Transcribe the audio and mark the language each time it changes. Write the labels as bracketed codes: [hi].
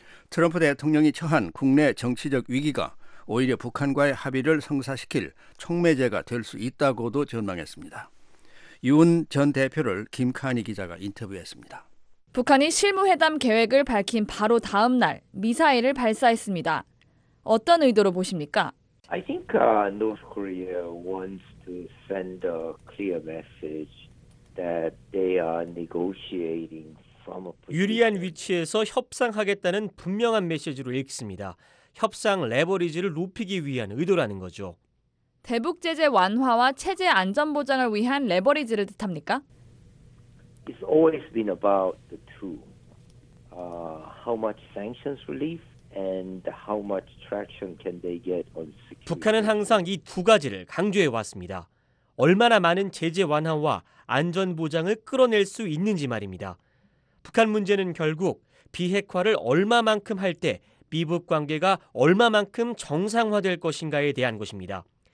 [ko] 트럼프 대통령이 처한 국내 정치적 위기가 오히려 북한과의 합의를 성사시킬 촉매제가 될 수 있다고도 전망했습니다. 윤 전 대표를 김카니 기자가 인터뷰했습니다. 북한이 실무회담 계획을 밝힌 바로 다음 날 미사일을 발사했습니다. 어떤 의도로 보십니까? [en] I think North Korea wants to send a clear message that they are negotiating from a position. [ko] 유리한 위치에서 협상하겠다는 분명한 메시지로 읽습니다. 협상 레버리지를 높이기 위한 의도라는 거죠. 대북 제재 완화와 체제 안전 보장을 위한 레버리지를 뜻합니까? [en] It's always been about the two. How much sanctions relief and how much traction can they get on security. [ko] 북한은 항상 이 두 가지를 강조해 왔습니다. 얼마나 많은 제재 완화와 안전 보장을 끌어낼 수 있는지 말입니다. 북한 문제는 결국 비핵화를 얼마만큼 할 때 미북 관계가 얼마만큼 정상화될 것인가에 대한 것입니다.